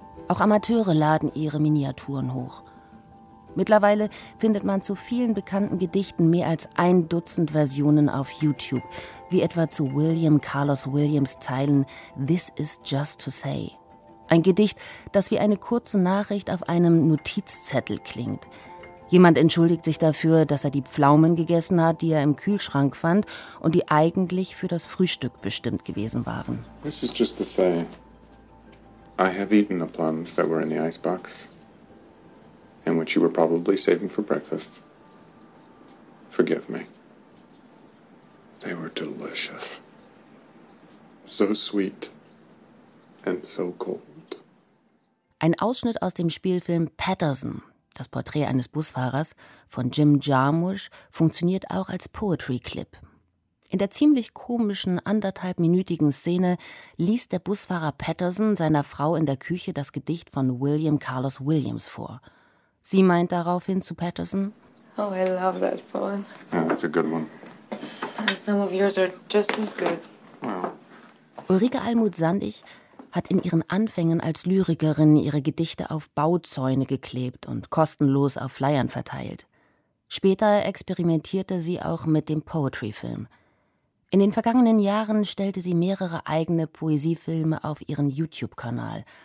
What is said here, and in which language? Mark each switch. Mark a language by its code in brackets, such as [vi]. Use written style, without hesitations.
[de] Auch Amateure laden ihre Miniaturen hoch. Mittlerweile findet man zu vielen bekannten Gedichten mehr als ein Dutzend Versionen auf YouTube, wie etwa zu William Carlos Williams Zeilen »This is just to say«. Ein Gedicht, das wie eine kurze Nachricht auf einem Notizzettel klingt. Jemand entschuldigt sich dafür, dass er die Pflaumen gegessen hat, die er im Kühlschrank fand und die eigentlich für das Frühstück bestimmt gewesen waren. [en] »This is just to say, I have eaten the plums that were in the icebox«. And what you were probably saving for breakfast. Forgive me. They were delicious. So sweet and so cold. [de] Ein Ausschnitt aus dem Spielfilm Patterson, das Porträt eines Busfahrers von Jim Jarmusch, funktioniert auch als Poetry Clip. In der ziemlich komischen anderthalbminütigen Szene liest der Busfahrer Patterson seiner Frau in der Küche das Gedicht von William Carlos Williams vor. Sie meint daraufhin zu Patterson. [en] Oh, I love that poem. Yeah, that's a good one. And some of yours are just as good. Well. [de] Ulrike Almuth-Sandig hat in ihren Anfängen als Lyrikerin ihre Gedichte auf Bauzäune geklebt und kostenlos auf Flyern verteilt. Später experimentierte sie auch mit dem Poetry-Film. In den vergangenen Jahren stellte sie mehrere eigene Poesiefilme auf ihren YouTube-Kanal.